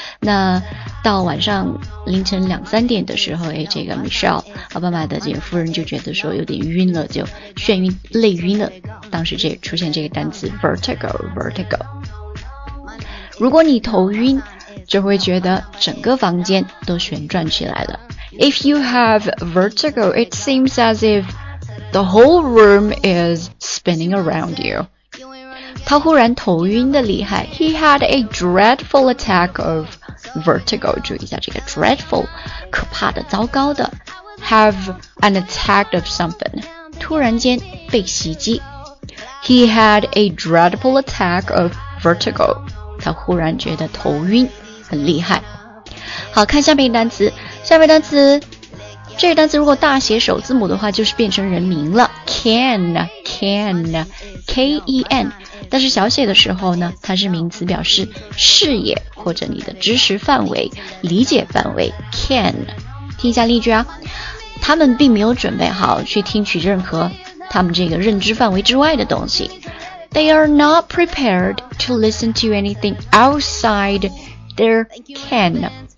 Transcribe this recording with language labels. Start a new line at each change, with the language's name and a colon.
Chinese: 那到晚上凌晨两三点的时候，这个 Michelle 奥巴马的这个夫人就觉得说有点晕了，就眩晕，累晕了。当时这出现这个单词 vertigo。如果你头晕，就会觉得整个房间都旋转起来了。
English: If you have vertigo, it seems as if the whole room is spinning around you.
Chinese: 他忽然头晕的厉害。
English: He had a dreadful attack of vertigo.
Chinese: 注意一下这个 dreadful, 可怕的，糟糕的。
English: Have an attack of something.
Chinese: 突然间被袭击。
English: He had a dreadful attack of vertigo.
Chinese: 他忽然觉得头晕很厉害。好，看下面一个单词。下面单词，这个单词如果大写首字母的话，就是变成人名了。 Ken, K-E-N， 但是小写的时候呢，它是名词，表示视野或者你的知识范围、理解范围。 Ken， 听一下例句啊，他们并没有准备好去听取任何他们这个认知范围之外的东西。
English: They are not prepared to listen to anything outside their ken.